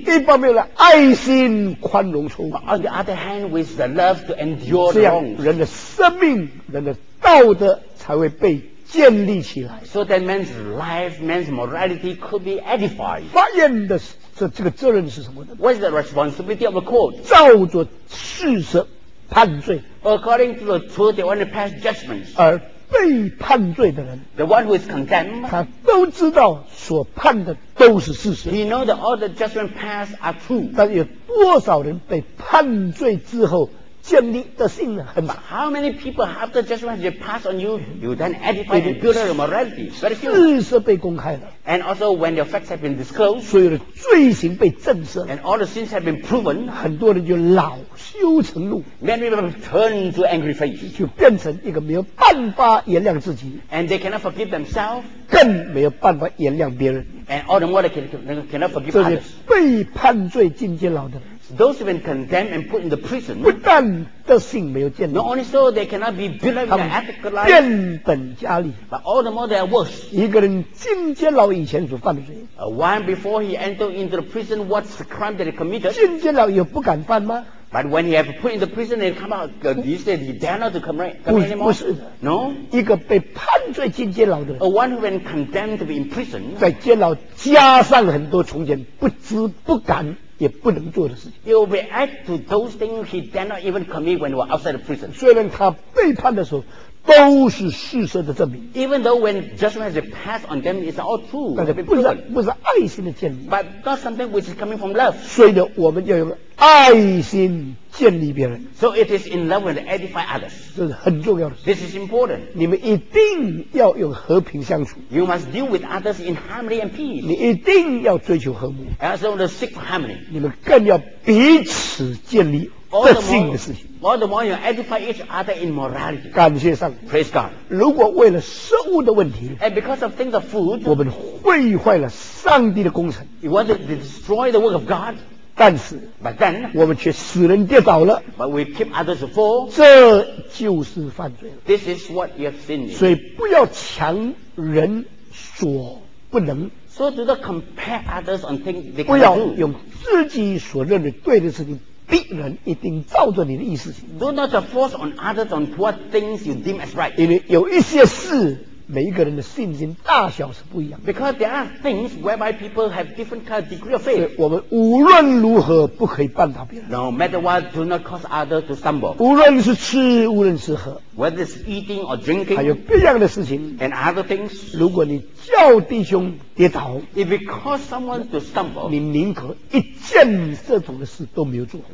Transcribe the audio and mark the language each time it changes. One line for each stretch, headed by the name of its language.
Chinese: 一方面呢，爱心宽容错误。
English: But on the other hand, with the love to endure the wrongs.
Chinese: 这样，人的生命，人的道德才会被建立起来。
English: So that man's life, man's morality could be edified.
Chinese: 法院的这个责任是什么呢
English: ？What's the responsibility of the court?
Chinese: 照着事实判罪。
English: According to the truth, they want to pass judgments.
Chinese: 而被判罪的人
English: the one who is condemned,
Chinese: 他都知道所判的都是事实
English: He knows that all the judgment passed are true
Chinese: 但有多少人被判罪之后建立的信很大。
English: How many people have the judgment you pass on you? You then edify the pillar of morality. Very few.
Chinese: 事实被公开了。
English: And also when the facts have been disclosed.
Chinese: 所有的罪行被证实。
English: And all the sins have been proven.
Chinese: 很多人就恼羞成怒。
English: Many people turn to angry face.
Chinese: 就变成一个没有办法原谅自己。
English: And they cannot forgive themselves.
Chinese: 更没有办法原谅别人。
English: And all the more they cannot forgive others.
Chinese: 这些被判罪进监牢的。
English: Those who've been condemned and put in the prison,
Chinese: 不但的信没有建立,
English: not only so, they cannot be built up in an ethical life,
Chinese: 变本加厉,
English: but all the more they are worse.
Chinese: 一个人进监牢以前所犯的罪,
English: one before he entered into the prison, what's the crime that he committed?
Chinese: 进监牢也不敢犯吗?
English: But when he have put in the prison and come out, these days he dare not to commit anymore?
Chinese: 不是,
English: no?
Chinese: 一个被判罪进监牢的人,
English: a one who's been condemned to be in prison,
Chinese: 在监牢加上很多从前不知不敢也不能做的事情。
English: He will react to those things he dare not even commit when he was outside the prison.
Chinese: 虽然他被判的时候都是事实的证明。
English: Even though when judgment has passed on them, it's all true.
Chinese: 但是不是爱心的建立。
English: But not something which is coming from love.
Chinese: 所以我们要用爱心建立别人。
English: So it is in love and edify others.
Chinese: 这是很重要的。
English: This is important.
Chinese: 你们一定要用和平相处。
English: You must deal with others in harmony and peace.
Chinese: 你一定要追求和睦。
English: As well as seek for harmony.
Chinese: 你们更要彼此建立。
English: All the more, all the more you edify each other in morality.
Chinese: 感谢上帝。
English: Praise God.
Chinese: 如果为了食物的问题，
English: and because of things of food,
Chinese: 我们毁坏了上帝的工程。
English: You want to destroy the work of God?
Chinese: 但是，
English: but then,
Chinese: 我们却使人跌倒了。
English: But we keep others fall.
Chinese: 这就是犯罪了。
English: This is what you have sinned.
Chinese: 所以不要强人所不能。
English: So do not compare others on things they can't do.
Chinese: 不要用自己所认为对的事情。逼人一定照着你的意思行。
English: Do not force on others on what things you deem as right.
Chinese: 因为有一些事，每一个人的信心大小是不一样的。
English: Because there are things whereby people have different kind of degree of faith.
Chinese: 所以我们无论如何不可以绊倒别人。
English: No matter what, do not cause others to stumble.
Chinese: 无论是吃，无论是喝。
English: Whether it's eating or drinking.
Chinese: 还有别样的事情。
English: And other things.
Chinese: 如果你叫弟兄跌倒，
English: if you cause someone to stumble,
Chinese: 你宁可一件这种的事都没有做。